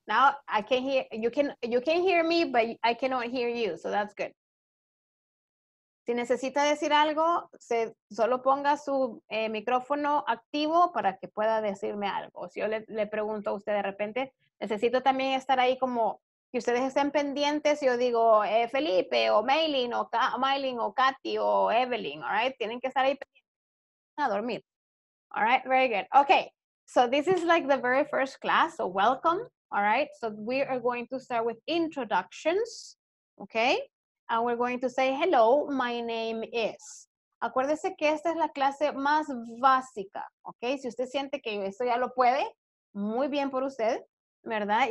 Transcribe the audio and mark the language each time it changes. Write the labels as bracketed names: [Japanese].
[English] Now I can hear you can hear me, but I cannot hear you, so that's good. [Spanish] Si necesita decir algo, solo ponga su micrófono activo para que pueda decirme algo. Si yo le pregunto a usted de repente, necesito también estar ahí como que ustedes estén pendientes, yo digo Felipe o Maylin o Maylin o Katy o Evelyn, [English] all right? [Spanish] Tienen que estar ahí pendientes a dormir. [English] All right, very good. Okay, so this is like the very first class, so welcome, all right? So we are going to start with introductions, okay? And we're going to say, hello, my name is. [Spanish] Acuérdese que esta es la clase más básica, okay? Si usted siente que esto ya lo puede, muy bien por usted, ¿verdad?